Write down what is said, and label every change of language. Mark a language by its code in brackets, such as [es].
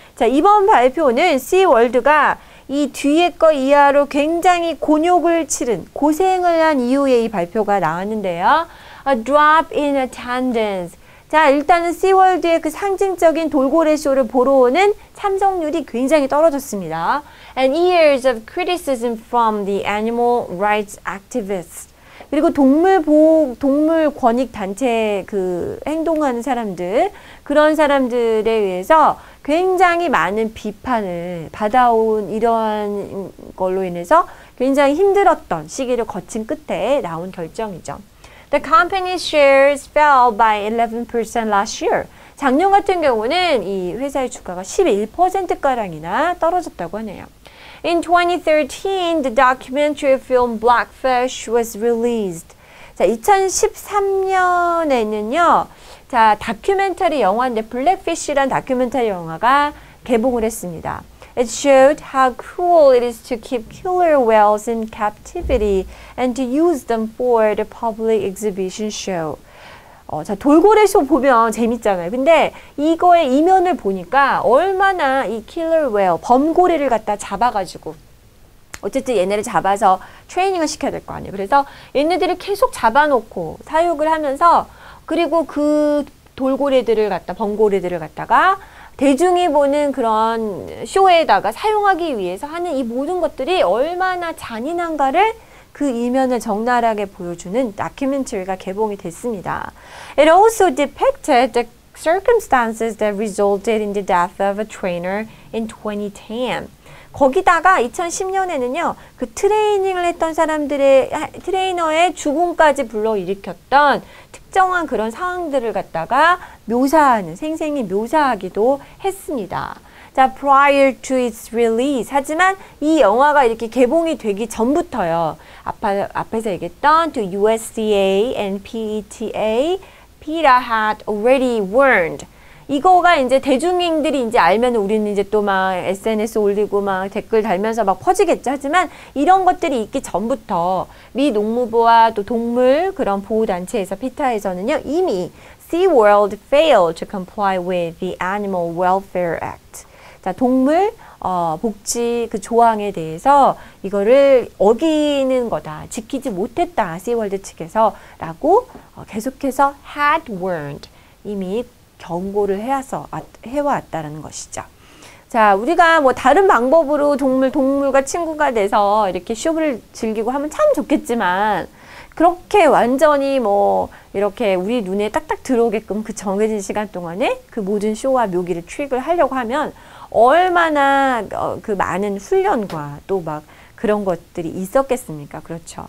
[ko] 자, 이번 발표는 SeaWorld가 이 뒤에 거 이하로 굉장히 곤욕을 치른, 고생을 한 이후에 이 발표가 나왔는데요. [en] A drop in attendance. [ko] 자, 일단은 SeaWorld의 그 상징적인 돌고래 쇼를 보러 오는 참석률이 굉장히 떨어졌습니다. [en] And years of criticism from the animal rights activists. [ko] 그리고 동물 권익 단체 그 행동하는 사람들, 그런 사람들에 의해서 굉장히 많은 비판을 받아온 이러한 걸로 인해서 굉장히 힘들었던 시기를 거친 끝에 나온 결정이죠. [en] The company's shares fell by 11% last year. [ko] 작년 같은 경우는 이 회사의 주가가 11%가량이나 떨어졌다고 하네요. [en] In 2013, the documentary film Blackfish was released. [ko] 자, 2013년에는요, 자, 다큐멘터리 영화인데, Blackfish란 다큐멘터리 영화가 개봉을 했습니다. [en] It showed how cruel it is to keep killer whales in captivity and to use them for the public exhibition show. [ko] 자, 돌고래 쇼 보면 재밌잖아요. 근데 이거의 이면을 보니까 얼마나 이 killer whale, 범고래를 갖다 잡아가지고 어쨌든 얘네를 잡아서 트레이닝을 시켜야 될 거 아니에요. 그래서 얘네들을 계속 잡아놓고 사육을 하면서 그리고 그 돌고래들을 갖다, 범고래들을 갖다가 대중이 보는 그런 쇼에다가 사용하기 위해서 하는 이 모든 것들이 얼마나 잔인한가를 그 이면을 적나라하게 보여주는 다큐멘터리가 개봉이 됐습니다. [en] It also depicted the circumstances that resulted in the death of a trainer in 2010. [ko] 거기다가 2010년에는요, 그 트레이닝을 했던 사람들의, 트레이너의 죽음까지 불러일으켰던 특정한 그런 상황들을 갖다가 묘사하는, 생생히 묘사하기도 했습니다. [en] 자, prior to its release. [ko] 하지만 이 영화가 이렇게 개봉이 되기 전부터요. 앞에서 얘기했던 [en] to USDA and PETA, PETA had already warned. [ko] 이거가 이제 대중인들이 이제 알면 우리는 이제 또 막 SNS 올리고 막 댓글 달면서 막 퍼지겠죠. 하지만 이런 것들이 있기 전부터 미 농무부와 또 동물 그런 보호단체에서 PETA에서는요. 이미 [en] SeaWorld failed to comply with the Animal Welfare Act. [ko] 자, 동물 복지 그 조항에 대해서 이거를 어기는 거다. 지키지 못했다. SeaWorld 측에서 라고 계속해서 [en] had warned. [ko] 이미 경고를 해왔다는 것이죠. 자, 우리가 뭐 다른 방법으로 동물과 친구가 돼서 이렇게 쇼를 즐기고 하면 참 좋겠지만 그렇게 완전히 뭐 이렇게 우리 눈에 딱딱 들어오게끔 그 정해진 시간 동안에 그 모든 쇼와 묘기를 트릭을 하려고 하면 얼마나 그 많은 훈련과 또 막 그런 것들이 있었겠습니까? 그렇죠.